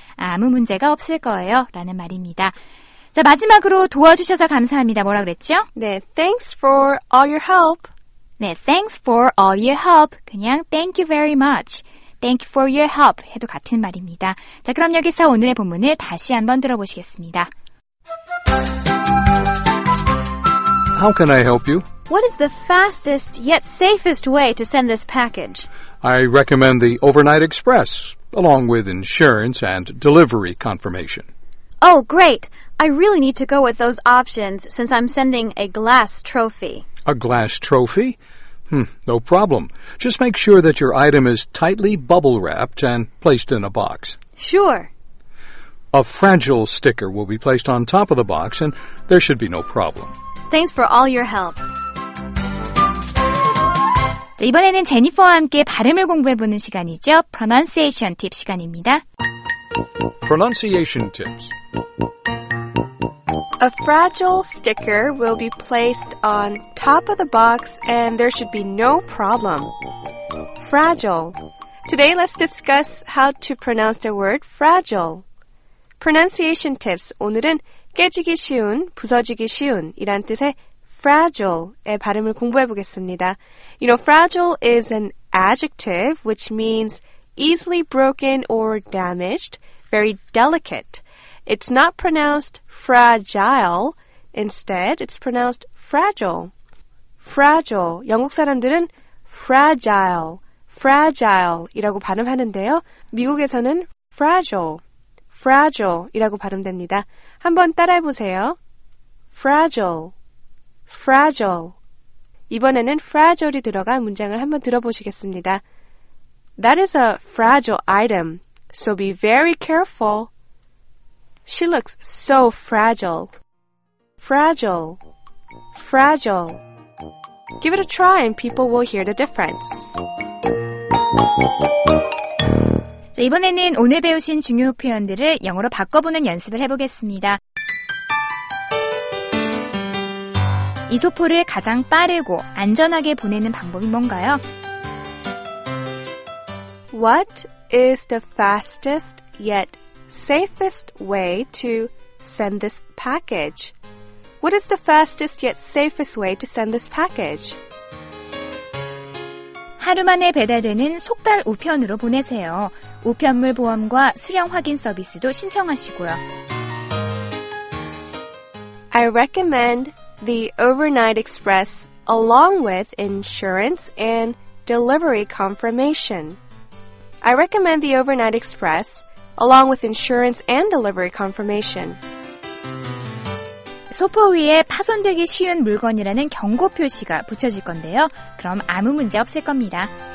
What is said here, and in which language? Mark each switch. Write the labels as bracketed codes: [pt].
[ko] 아무 문제가 없을 거예요. 라는 말입니다. 자, 마지막으로 도와주셔서 감사합니다. 뭐라 그랬죠? [en] 네, thanks for all your help. 네, thanks for all your help. 그냥 thank you very much. Thank you for your help. [ko] 해도 같은 말입니다. 자, 그럼 여기서 오늘의 본문을 다시 한번 들어보시겠습니다. [en] How can I help you? What is the fastest yet safest way to send this package? I recommend the Overnight Express, along with insurance and delivery confirmation. Oh, great. I really need to go with those options since I'm sending a glass trophy. A glass trophy? No problem. Just make sure that your item is tightly bubble-wrapped and placed in a box. Sure. A fragile sticker will be placed on top of the box, and there should be no problem. Thanks for all your help. [ko] 자, 이번에는 제니퍼와 함께 발음을 공부해보는 시간이죠. [en] Pronunciation tip 시간입니다. Pronunciation tips. A fragile sticker will be placed on top of the box and there should be no problem. Fragile. Today let's discuss how to pronounce the word fragile. Pronunciation tips. [ko] 오늘은 깨지기 쉬운, 부서지기 쉬운 이란 뜻의 fragile의 발음을 공부해 보겠습니다. [en] You know, fragile is an adjective which means easily broken or damaged, very delicate. It's not pronounced fragile. Instead, it's pronounced fragile. Fragile. [ko] 영국 사람들은 fragile, fragile이라고 발음하는데요. 미국에서는 fragile, fragile이라고 발음됩니다. 한번 따라해 보세요. Fragile, fragile. 이번에는 fragile이 들어간 문장을 한번 들어보시겠습니다. [en] That is a fragile item, so be very careful. She looks so fragile. Fragile. Fragile. Give it a try and people will hear the difference. [ko] 자, 이번에는 오늘 배우신 중요 표현들을 영어로 바꿔보는 연습을 해보겠습니다. 이소포를 가장 빠르고 안전하게 보내는 방법이 뭔가요? [en] What is the fastest yet safest way to send this package? What is the fastest yet safest way to send this package? [ko] 하루 만에 배달되는 속달 우편으로 보내세요. 우편물 보험과 수령 확인 서비스도 신청하시고요. [en] I recommend the Overnight Express along with insurance and delivery confirmation. I recommend the Overnight Express along with insurance and delivery confirmation. [ko] 소포 위에 파손되기 쉬운 물건이라는 경고 표시가 붙여질 건데요. 그럼 아무 문제 없을 겁니다.